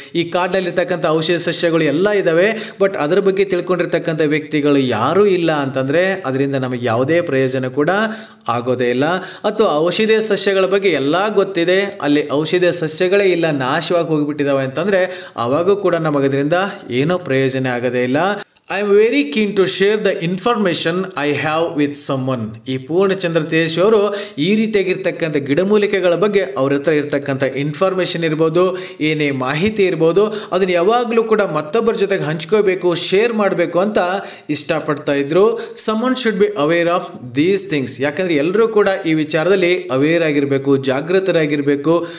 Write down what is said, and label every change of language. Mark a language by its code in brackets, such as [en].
[kn] ಈ ಕಾಡಲ್ಲಿರ್ತಕ್ಕಂಥ ಔಷಧಿ ಸಸ್ಯಗಳು ಎಲ್ಲ ಇದ್ದಾವೆ, ಬಟ್ ಅದ್ರ ಬಗ್ಗೆ ತಿಳ್ಕೊಂಡಿರ್ತಕ್ಕಂಥ ವ್ಯಕ್ತಿಗಳು ಯಾರೂ ಇಲ್ಲ ಅಂತಂದರೆ ಅದರಿಂದ ನಮಗೆ ಯಾವುದೇ ಪ್ರಯೋಜನ ಕೂಡ ಆಗೋದೇ ಇಲ್ಲ. ಅಥವಾ ಔಷಧಿ ಸಸ್ಯಗಳ ಬಗ್ಗೆ ಎಲ್ಲ ಗೊತ್ತಿದೆ, ಅಲ್ಲಿ ಔಷಧಿ ಸಸ್ಯಗಳೇ ಇಲ್ಲ ನಾಶವಾಗಿ ಹೋಗಿಬಿಟ್ಟಿದ್ದಾವೆ ಅಂತಂದರೆ ಆವಾಗೂ ಕೂಡ ನಮಗೆ ಅದರಿಂದ ಏನೂ ಪ್ರಯೋಜನ ಆಗೋದೇ ಇಲ್ಲ. [en] I am very keen to share the information I have with someone. [kn] ಈ ಪೂರ್ಣಚಂದ್ರ ತೇಜಸ್ವಿ ಅವರು ಈ ರೀತಿಯಾಗಿರ್ತಕ್ಕಂಥ ಗಿಡಮೂಲಿಕೆಗಳ ಬಗ್ಗೆ ಅವ್ರ ಹತ್ರ ಇರತಕ್ಕಂಥ ಇನ್ಫಾರ್ಮೇಷನ್ ಇರ್ಬೋದು, ಏನೇ ಮಾಹಿತಿ ಇರ್ಬೋದು, ಅದನ್ನು ಯಾವಾಗಲೂ ಕೂಡ ಮತ್ತೊಬ್ಬರ ಜೊತೆಗೆ ಹಂಚ್ಕೋಬೇಕು, ಶೇರ್ ಮಾಡಬೇಕು ಅಂತ ಇಷ್ಟಪಡ್ತಾ ಇದ್ರು. [en] Someone should be aware of these things. [kn] ಯಾಕಂದರೆ ಎಲ್ಲರೂ ಕೂಡ ಈ ವಿಚಾರದಲ್ಲಿ ಅವೇರ್ ಆಗಿರಬೇಕು, ಜಾಗೃತರಾಗಿರಬೇಕು.